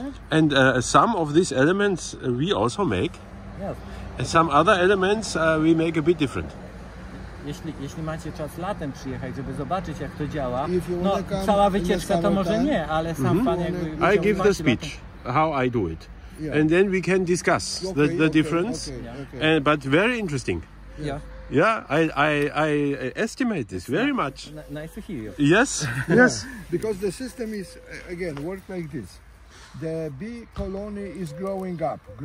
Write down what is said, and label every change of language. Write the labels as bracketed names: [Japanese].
[English] And some of these elements we also make. And some other elements we make a bit different. [Polish] Jeśli macie czas latem przyjechać, żeby zobaczyć, jak to działa, no cała wycieczka to może nie, ale sam mm-hmm. Pan jakby... [English] I give the speech, how I do it. Yeah. And then we can discuss the difference, okay. And, but very interesting. Yeah. Yeah, I estimate this very much. Nice to hear you. Yes, yes. Because the system is, again, work like this. The bee colony is growing up.